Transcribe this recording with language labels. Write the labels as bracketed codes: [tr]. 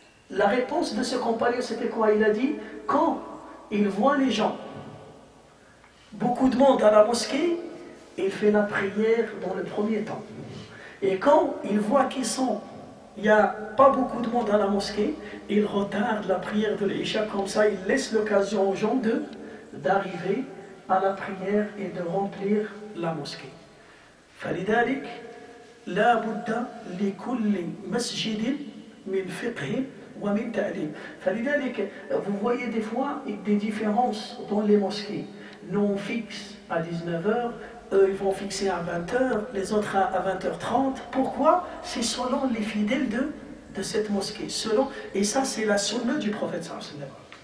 [fr] La réponse de ce compagnon, c'était quoi? Il a dit, quand il voit les gens, beaucoup de monde à la mosquée, il fait la prière dans le premier temps. Et quand il voit qu'ils sont, il n'y a pas beaucoup de monde à la mosquée, il retarde la prière de l'Isha, comme ça il laisse l'occasion aux gens d'arriver à la prière et de remplir la mosquée. [ar] فلذلك لا بد لكل مسجد من فقه ومن تأديب. [fr] فلذلك vous voyez des fois des différences dans les mosquées. Nous on fixe à 19h, eux ils vont fixer à 20h, les autres à 20h30. Pourquoi? C'est selon les fidèles de cette mosquée. Selon, et ça c'est la sunna du prophète sallallahu alayhi wa sallam.